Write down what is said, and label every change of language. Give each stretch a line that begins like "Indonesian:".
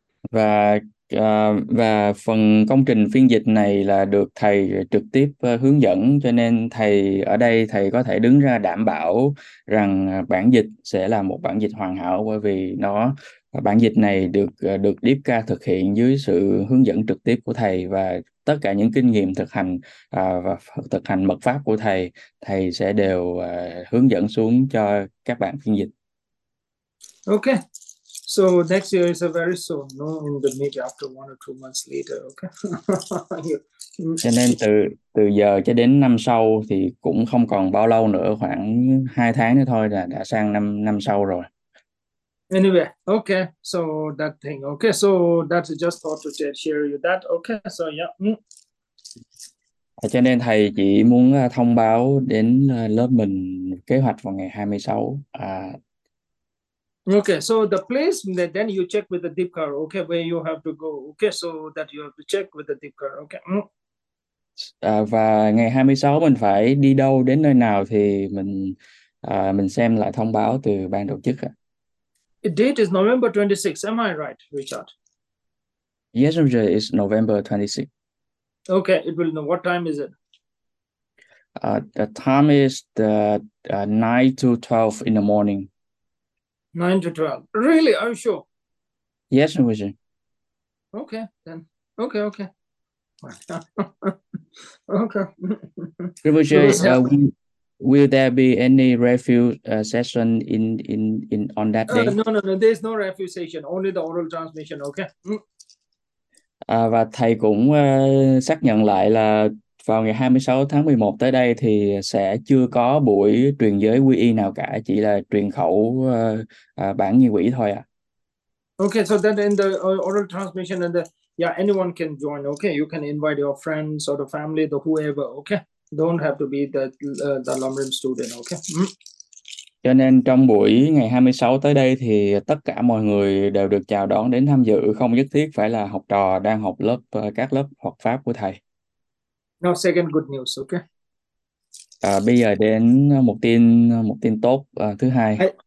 Vietnamese: Và phần công trình phiên dịch này là được thầy trực tiếp hướng dẫn, cho nên thầy ở đây thầy có thể đứng ra đảm bảo rằng bản dịch sẽ là một bản dịch hoàn hảo, bởi vì nó bản dịch này được được Deepka thực hiện dưới sự hướng dẫn trực tiếp của thầy, và tất cả những kinh nghiệm thực hành và thực hành mật pháp của thầy thầy sẽ đều hướng dẫn xuống cho các bạn phiên dịch.
English: Okay. So next year is a very soon, no, in the mid after 1 or 2 months later, okay.
Vietnamese: Cho nên từ giờ cho đến năm sau thì cũng không còn bao lâu nữa, khoảng 2 tháng nữa thôi là đã sang năm năm sau rồi.
English: Anyway, okay, so that thing, okay, so that's just thought to share you that, okay, so yeah.
Vietnamese: Cho nên thầy chỉ muốn thông báo đến lớp mình kế hoạch vào ngày 26.
English: Okay, so the place that then you check with the deep car, okay, where you have to go, okay, so that you have to check with the deep car, okay.
Vietnamese: Và ngày 26 mình phải đi đâu đến nơi nào thì mình xem lại thông báo từ ban tổ chức ạ.
English: Date is November 26, am I right, Richard? Yes, Roger, it's November 26. Okay, it will know what time is it? The time is the 9 to 12 in the morning. 9 to 12. Really? Are you sure? Yes, I was. Okay, then. Okay, okay. Okay. Rinpoche, will there be any refuge session in on that day? No. There's no refuge session. Only the oral transmission, okay?
Vietnamese: Và thầy cũng xác nhận lại là vào ngày 26 tháng 11 tới đây thì sẽ chưa có buổi truyền giới quy y nào cả, chỉ là truyền khẩu bản nghi quỹ thôi ạ.
English: Okay, so then in the oral transmission and the Yeah, anyone can join. Okay, you can invite your friends or the family, the whoever. Okay, don't have to be the London student. Okay.
Vietnamese: Cho nên trong buổi ngày 26 tới đây thì tất cả mọi người đều được chào đón đến tham dự, không nhất thiết phải là học trò đang học lớp các lớp Phật pháp của thầy.
English: Now, second good
Vietnamese: À, bây giờ đến một tin tốt thứ hai.